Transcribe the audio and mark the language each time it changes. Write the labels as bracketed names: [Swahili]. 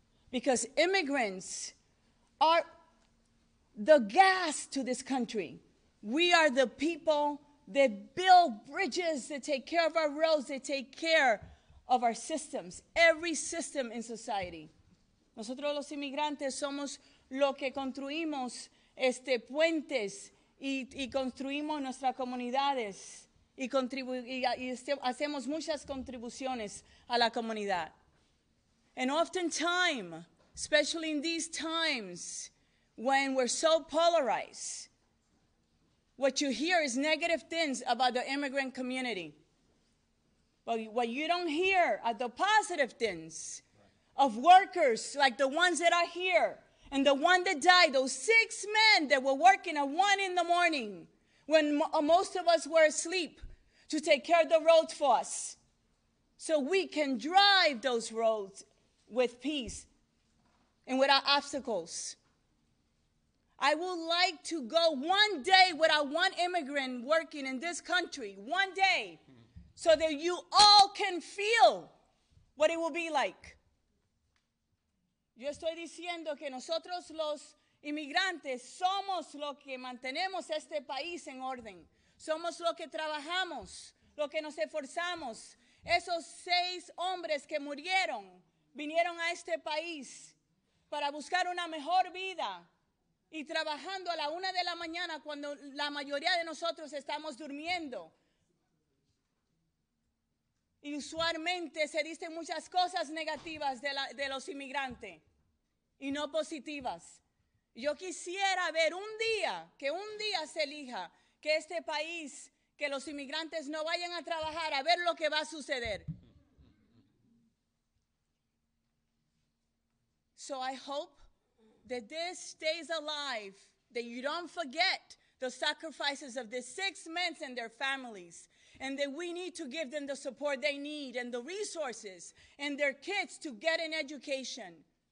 [English] Because immigrants are the gas to this country. We are the people that build bridges, that take care of our roads, that take care of our systems, every system in society. [Spanish] Nosotros los inmigrantes somos lo que construimos este puentes y construimos nuestras comunidades y hacemos muchas contribuciones a la comunidad. [English] And oftentimes, especially in these times when we're so polarized, what you hear is negative things about the immigrant community. But what you don't hear are the positive things of workers like the ones that are here and the one that died, those six men that were working at 1 a.m. when most of us were asleep to take care of the roads for us so we can drive those roads with peace and without obstacles. I would like to go one day without one immigrant working in this country, one day, so that you all can feel what it will be like. [Spanish] Yo estoy diciendo que nosotros los inmigrantes somos los que mantenemos este país en orden. Somos los que trabajamos, los que nos esforzamos. Esos seis hombres que murieron vinieron a este país para buscar una mejor vida y trabajando a la 1 a.m. cuando la mayoría de nosotros estamos durmiendo. Y usualmente se dicen muchas cosas negativas de los inmigrantes y no positivas. Yo quisiera ver un día se elija que este país, que los inmigrantes no vayan a trabajar, a ver lo que va a suceder. [English] So I hope that this stays alive, that you don't forget the sacrifices of the six men and their families, and that we need to give them the support they need and the resources and their kids to get an education.